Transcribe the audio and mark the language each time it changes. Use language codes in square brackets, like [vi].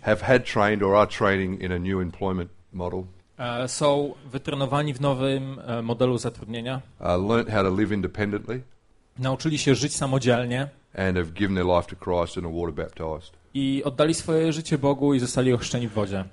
[en] Have had trained or are training in a new employment model. [pl] Są wytrenowani w nowym modelu zatrudnienia. [en] Learned how to live independently. [pl] Nauczyli się żyć samodzielnie. [en] And have given their life to Christ and are water baptized. [pl] I oddali swoje życie Bogu i zostali ochrzczeni w wodzie.